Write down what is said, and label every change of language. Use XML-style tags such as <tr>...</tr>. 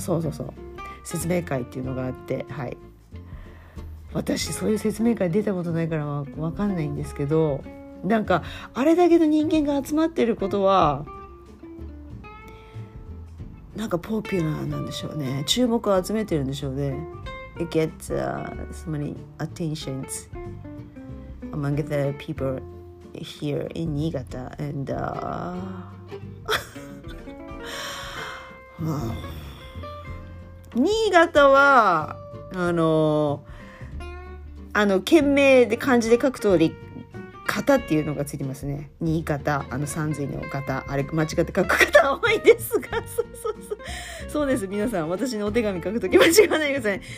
<ja>そうそうそう、説明会っていうのがあって、はい、私そういう説明会出たことないからわかんないんですけど、なんかあれだけの人間が集まってることはなんかポピュラーなんでしょうね、注目を集めてるんでしょうね。</ja> <en>It gets so many attentions among the people here in 新潟 and wow.</en> <ja>新潟はあの県名で漢字で書く通り、型っていうのがついてますね。に型、あの三髄の型、あれ間違って書く方多いですが、そうです、皆さん私のお手紙書くとき間違わないでください。</ja>